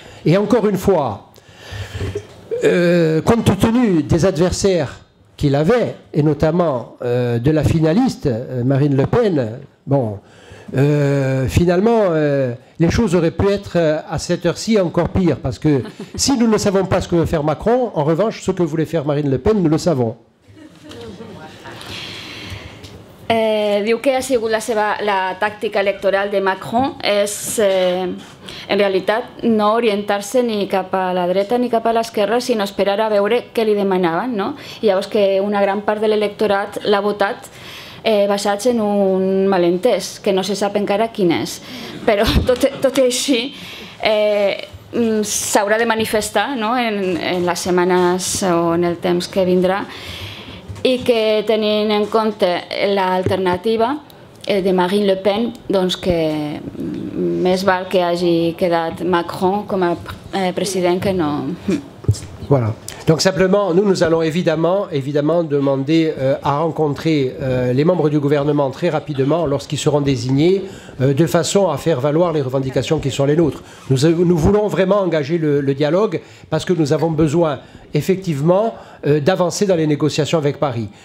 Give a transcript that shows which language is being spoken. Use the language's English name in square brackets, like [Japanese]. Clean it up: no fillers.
[French] Et encore une fois, compte tenu des adversaires qu'il avait, et notamment de la finaliste Marine Le Pen, bon, finalement, les choses auraient pu être à cette heure-ci encore pires, parce que si nous ne savons pas ce que veut faire Macron, en revanche, ce que voulait faire Marine Le Pen, nous le savons. [Catalan] Diu que ha sigut la seva la tàctica electoral de Macron és en realitat no orientar-se ni cap a la dreta ni cap a l'esquerra, sinó esperar a veure què li demanaven, no? I llavors que una gran part de l'electorat l'ha votat basats en un malentès que no se sap encara quin és, però tot i així s'haurà de manifestar, no? en les setmanes o en el temps que vindrà, i que tenint en compte l'alternativa de Marine Le Pen, doncs que més val que hagi quedat Macron com a president que no. [French] Voilà. Donc simplement, nous allons évidemment demander à rencontrer les membres du gouvernement très rapidement lorsqu'ils seront désignés, de façon à faire valoir les revendications qui sont les nôtres. Nous voulons vraiment engager le dialogue parce que nous avons besoin effectivement d'avancer dans les négociations avec Paris.